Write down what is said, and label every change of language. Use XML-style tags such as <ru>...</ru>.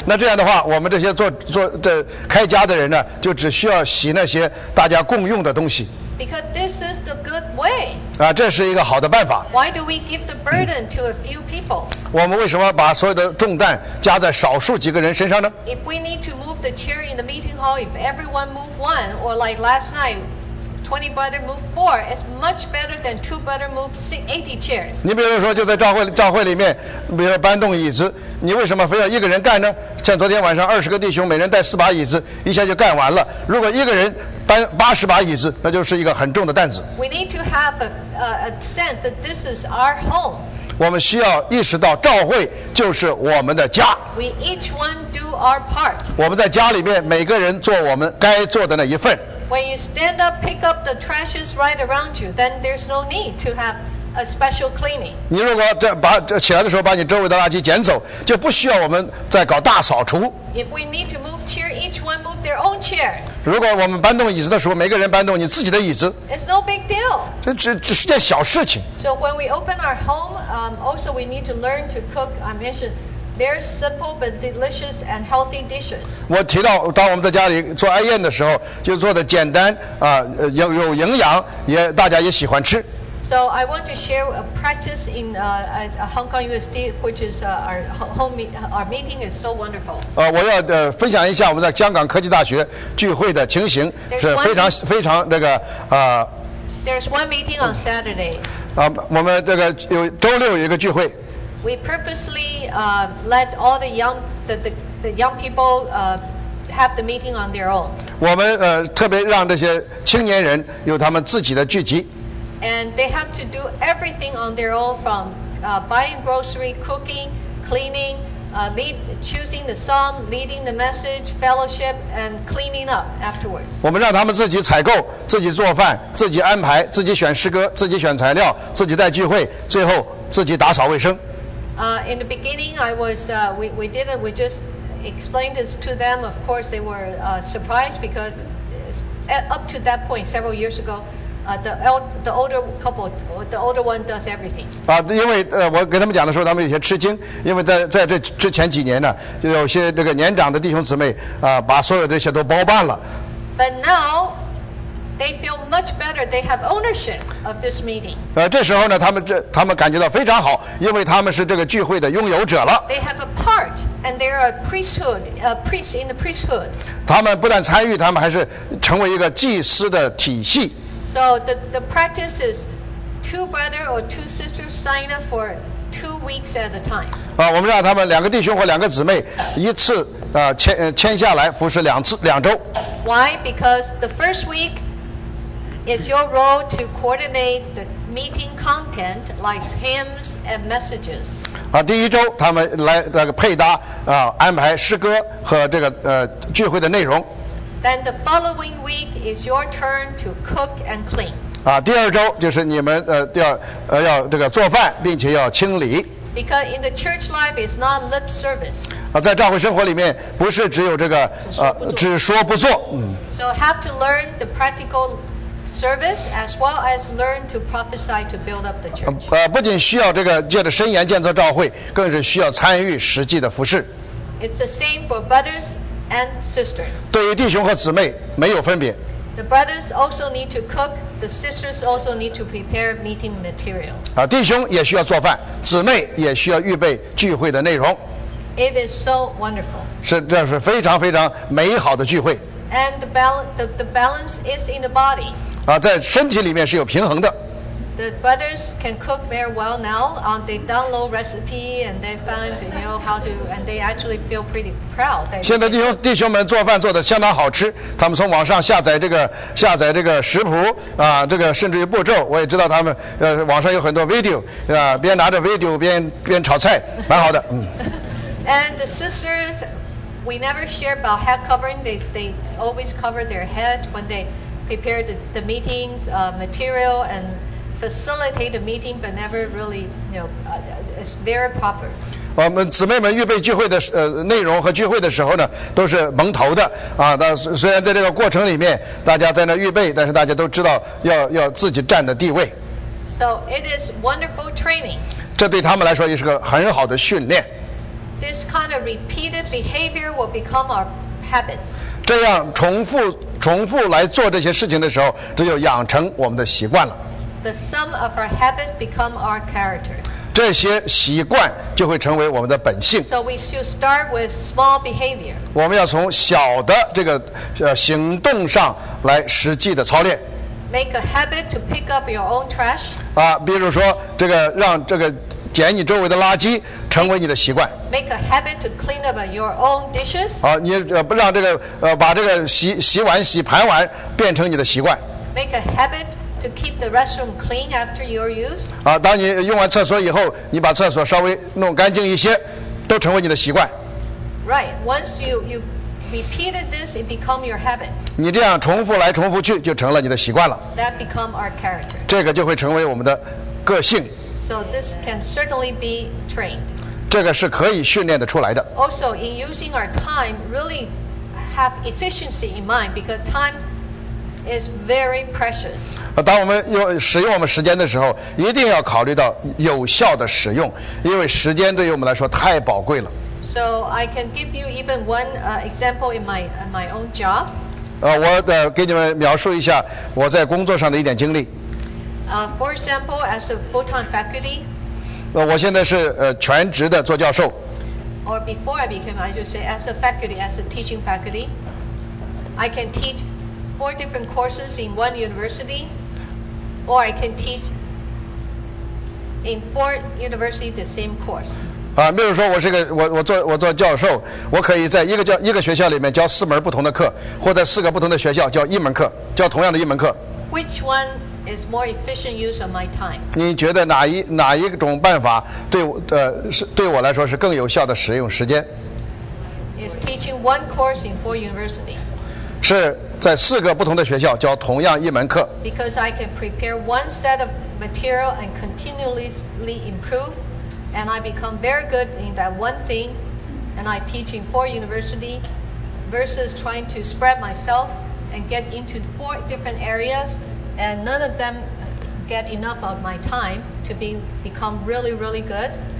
<zh>那这样的话，我们这些做这开家的人呢，就只需要洗那些大家共用的东西。</zh> <en>Because this is the good way.</en> <zh>啊，这是一个好的办法。</zh> <en>Why do we give the burden to a few people?</en> <zh>我们为什么把所有的重担加在少数几个人身上呢？</zh> <en>If we need to move the chair in the meeting hall, if everyone move one, or like last night, 20 brother move 4, is much better than 2 brother move 80 chairs.</en> <zh>你比如说就在召会里面，比如说搬动椅子，你为什么非要一个人干呢？像昨天晚上20个弟兄每人带4把椅子，一下就干完了。如果一个人搬80把椅子，那就是一个很重的担子。</zh> <en>We need to have a sense that this is our home.</en> <zh>我们需要意识到召会就是我们的家。</zh> <en>We each one do our part.</en> <zh>我们在家里面每个人做我们该做的那一份。</zh> <en>When you stand up, pick up the trashes right around you, then there's no need to have a special cleaning.</en> <zh>你如果起来的时候把你周围的垃圾捡走，就不需要我们再搞大扫除。</zh> <en>If we need to move chair, each one move their own chair.</en> <zh>如果我们搬动椅子的时候，每个人搬动你自己的椅子。</zh> <en>It's no big deal.</en> <zh>这是件小事情。</zh> <en>So when we open our home, also we need to learn to cook. I mentioned. Very simple but delicious and healthy dishes.</en> <zh>我提到，当我们在家里做哀宴的时候，就做的简单啊，有营养，也大家也喜欢吃。</zh> <en>So I want to share a practice in at Hong Kong USD, which is our meeting is so wonderful.</en> <zh>我要分享一下我们在香港科技大学聚会的情形，是非常非常这个</zh> <en>There's one meeting on Saturday.</en> <zh>我们这个有周六有一个聚会。</zh> <en>We purposely let all the young people have the meeting on their own.</en> <zh>我们特别让这些青年人有他们自己的聚集。</zh> <en>And they have to do everything on their own, from buying grocery, cooking, cleaning, choosing the song, leading the message, fellowship, and cleaning up afterwards.</en> <zh>我们让他们自己采购、自己做饭、自己安排、自己选诗歌、自己选材料、自己带聚会，最后自己打扫卫生。</zh> <en>In the beginning, I was we did it. We just explained this to them. Of course, they were surprised because up to that point, several years ago, the older one does everything.</en> <zh>因为我跟他们讲的时候，他们有些吃惊，因为在这之前几年呢，就有些这个年长的弟兄姊妹把所有这些都包办了。</zh> <en>But now. They feel much better. They have ownership of this meeting.</en> <zh>这时候呢，他们感觉到非常好，因为他们是这个聚会的拥有者了。</zh> <en>They have a part, And they're a priesthood, a priest in the priesthood.</en> <zh>他们不但参与，他们还是成为一个祭司的体系。</zh> <en>So the practice is two brothers or two sisters sign up for two weeks at a time.</en> <zh>啊，我们让他们两个弟兄或两个姊妹一次啊签下来服侍两周。</zh> <en>Why? Because the first week is your role to coordinate the meeting content, like hymns and messages.</en> <zh>啊，第一周他们来那个配搭啊，安排诗歌和这个聚会的内容。</zh> <en>Then the following week is your turn to cook and clean.</en> <zh>啊，第二周就是你们要这个做饭，并且要清理。</zh> <en>Because in the church life, it's not lip service.</en> <zh>啊，在教会生活里面，不是只有这个只说不做。</zh> <en>So have to learn the practical service as well as learn to prophesy to build up the church.</en> <zh>不仅需要这个借着申言建造教会，更是需要参与实际的服事。</zh> <en>It's the same for brothers. And sisters.</en> <zh>对于弟兄和姊妹没有分别。</zh> <en>The brothers also need to cook. The sisters also need to prepare meeting material.</en> <zh>啊，弟兄也需要做饭，姊妹也需要预备聚会的内容。</zh> <en>It is so wonderful.</en> <zh>是，这是非常非常美好的聚会。</zh> <en>And the balance is in the body.</en> <zh>啊，在身体里面是有平衡的。</zh> <en>The brothers can cook very well now. They download recipe and they find, you know, how to, and they actually feel pretty proud.</en> <zh>现在弟兄们做饭做得相当好吃，他们从网上下载这个食谱啊，这个甚至于步骤，我也知道他们网上有很多 video 啊，边拿着 video 边炒菜，蛮好的。</zh> <en>And the sisters, we never share about head covering. They always cover their head when they prepare the meetings material and. Facilitate the meeting, but never really, you know, it's very proper.</en> <zh>我们姊妹们预备聚会的内容和聚会的时候呢，都是蒙头的啊。那虽然在这个过程里面，大家在那预备，但是大家都知道要自己站的地位。</zh> <en>So it is wonderful training.</en> <zh>这对他们来说也是个很好的训练。</zh> <en>This kind of repeated behavior will become our habits.</en> <zh>这样重复来做这些事情的时候，这就养成我们的习惯了。</zh> <en>The sum of our habits become our character.</en> <zh>这些习惯就会成为我们的本性。</zh> <en>So we should start with small behavior.</en> <zh>我们要从小的这个行动上来实际的操练。</zh> <en>Make a habit to pick up your own trash.</en> <zh>啊，比如说这个让这个捡你周围的垃圾成为你的习惯。</zh> <en>Make a habit to clean up your own dishes.</en> <zh>啊，你不让这个把这个洗碗洗盘碗变成你的习惯。</zh> <en>Make a habit. To keep the restroom clean after your use.</en> <zh>啊，当你用完厕所以后，你把厕所稍微弄干净一些，都成为你的习惯。</zh> <en>Right. Once you repeated this, it become your habit.</en> <zh>你这样重复来重复去，就成了你的习惯了。</zh> <en>That become our character.</en> <zh>这个就会成为我们的个性。</zh> <en>So this can certainly be trained.</en> <zh>这个是可以训练得出来的。</zh> <en>Also, in using our time, really have efficiency in mind because time. Is very precious.</en> <zh>当我们使用我们时间的时候，一定要考虑到有效的使用，因为时间对于我们来说太宝贵了。</zh> <en>So I can give you even one example in my own job.</en> <zh>我给你们描述一下我在工作上的一点经历。</zh> <en>For example, as a full-time faculty.</en> <zh>我现在是全职的做教授。</zh> <en>Or before I became, I just say as a faculty, as a teaching faculty, I can teach. Four different courses in one university, or I can teach in four universities the same course.</en> <zh>啊，比如说我做教授，我可以在一个学校里面教四门不同的课，或在四个不同的学校教一门课，教同样的一门课。</zh> <en>Which one is more efficient use of my time?</en> <zh>你觉得哪一种办法对我来说是更有效的使用时间</zh> <en>？Is teaching one course in four universities?</en> <zh>是。在四个不同的学校教同样一门课。</zh> <en>Because I can prepare one set of material and continuously improve, and I become very good in that one thing, and I teach in four universities versus trying to spread myself and get into four different areas, and none of them get enough of my time to become really, really good.</en>